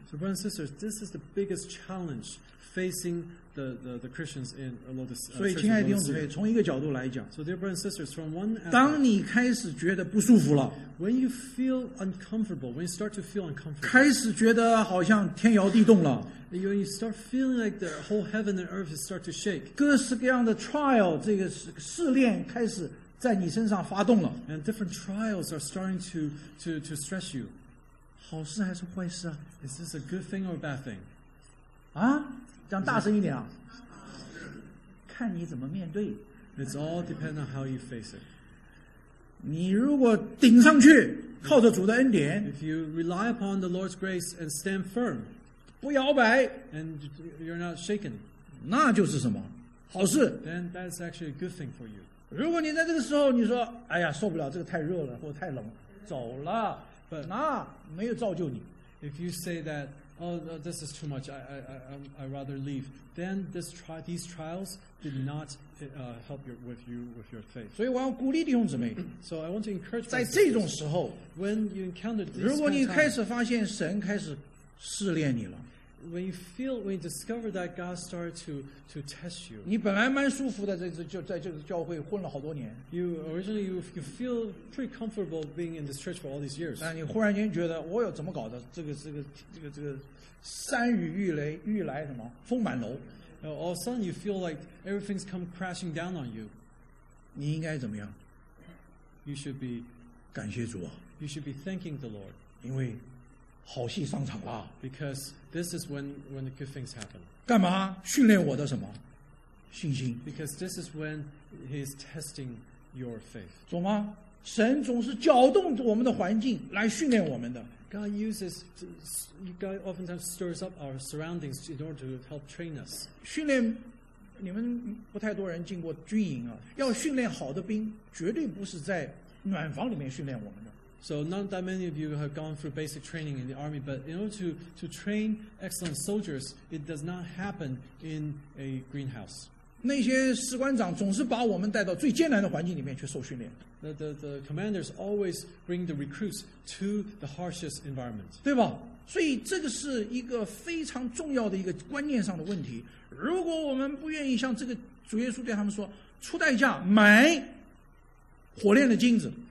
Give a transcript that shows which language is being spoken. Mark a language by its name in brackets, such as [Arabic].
[English] So brothers and sisters, this is the biggest challenge facing the Christians in Laodicea. [Chinese] 所以亲爱的弟兄姊妹，从一个角度来讲， [English] So dear brothers and sisters, from one aspect, [Chinese] 当你开始觉得不舒服了， [English] When you feel uncomfortable, when you start to feel uncomfortable, [Chinese] 开始觉得好像天摇地动了， [English] When you start feeling like the whole heaven and earth start to shake, [Chinese] 各式各样的 trial, 这个试炼开始在你身上发动了， [English] And different trials are starting to stress you, [Chinese] 好事还是坏事啊？ [English] Is this a good thing or a bad thing? [Chinese] 啊，讲大声一点啊！看你怎么面对。 [English] It's all depend on how you face it. [Chinese] 你如果顶上去，靠着主的恩典 [English] ，If you rely upon the Lord's grace and stand firm, [Chinese] 不摇摆 [English] ，and you're not shaken, [Chinese] 那就是什么好事 [English] ？Then that's actually a good thing for you. [Chinese] 如果你在这个时候你说，哎呀，受不了，这个太热了，或者太冷，走了。 [English] But, [Chinese] 那没有造就你。 [English] If you say that, oh, this is too much, I rather leave, then these trials did not help you with your faith. [Chinese] 所以我要鼓励弟兄姊妹。 [English] So I want to encourage. [Chinese] 在这种时候 [English] ，when you encounter this, [Chinese] 如果你开始发现神开始试炼你了 [English] when you discover that God started to test you, [Chinese] 你本来蛮舒服的，在这个教会混了好多年。 [English] You originally you feel pretty comfortable being in this church for all these years. [Chinese] 但你忽然间觉得，我有怎么搞的？这个山雨欲来欲来什么？风满楼。 [English] Now, all of a sudden you feel like everything's come crashing down on you. [Chinese] 你应该怎么样？ [English] You should be [Chinese] 感谢主啊。 [English] You should be thanking the Lord. [Chinese] 因为好戏上场了。 [English] Because this is when the good things happen. [Chinese] 干嘛？训练我的什么？信心。 [English] Because this is when he's testing your faith. [Chinese] 懂吗？神总是搅动我们的环境来训练我们的。 [English] God uses, God oftentimes stirs up our surroundings in order to help train us. [Chinese] 训练，你们不太多人进过军营啊。要训练好的兵，绝对不是在暖房里面训练我们的。 [English] So not that many of you have gone through basic training in the army, but in order to train excellent soldiers, it does not happen in a greenhouse. [Chinese] 那些士官长总是把我们带到最艰难的环境里面去受训练。 [English] The commanders always bring the recruits to the harshest environment. [Chinese] 对吧？所以这个是一个非常重要的一个观念上的问题。如果我们不愿意像这个主耶稣对他们说，出代价买火炼的金子。